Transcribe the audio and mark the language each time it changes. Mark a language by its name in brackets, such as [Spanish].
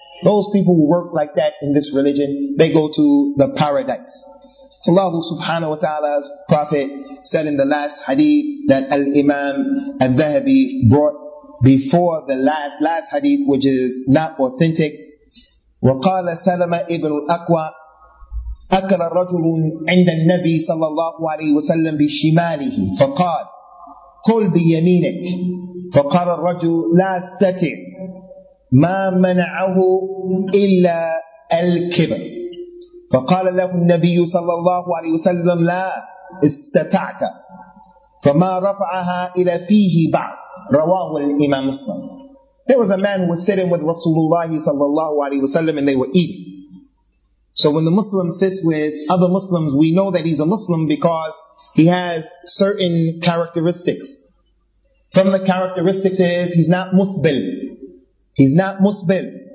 [English] Those people who work like that in this religion, they go to the paradise. So Allah subhanahu wa ta'ala's Prophet said in the last hadith that Al-Imam Al-Dhahabi brought before the last hadith, which is not authentic. [Arabic] وقال سلمة ابن الأقوى أكل رجل عند النبي صلى الله عليه وسلم بشماله فقال قل بيمينك فقال الرجل لا أستطيع ما منعه إلا الكبر فقال له النبي صلى الله عليه وسلم لا استطعت فما رفعها إلى فيه بعد رواه الإمام مسلم. [English] There was a man who was sitting with Rasulullah sallallahu alayhi wa sallam and they were eating. So when the Muslim sits with other Muslims, we know that he's a Muslim because he has certain characteristics. From the characteristics is, he's not musbil. He's not musbil.